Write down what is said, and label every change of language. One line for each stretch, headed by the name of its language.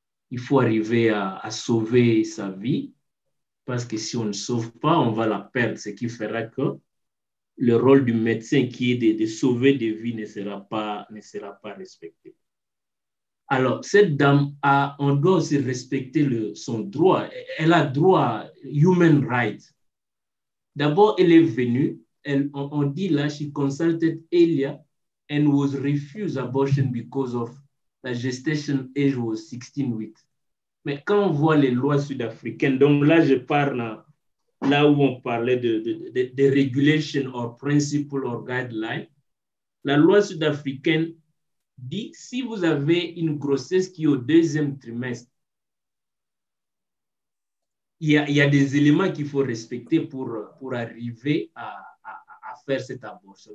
French: Il faut arriver à sauver sa vie, parce que si on ne sauve pas, on va la perdre, ce qui fera que le rôle du médecin qui est de sauver des vies ne sera pas respecté. Alors, cette dame, on doit aussi respecter son droit. Elle a droit à
English: human rights.
French: D'abord, elle est venue, on dit là,
English: she consulted earlier and was refused abortion because of the gestation age was 16 weeks.
French: Mais quand on voit les lois sud-africaines, donc là, je parle là où on parlait de
English: regulation or principle or guideline,
French: la loi sud-africaine dit si vous avez une grossesse qui est au deuxième trimestre, Il y a des éléments qu'il faut respecter pour arriver à faire cette abortion.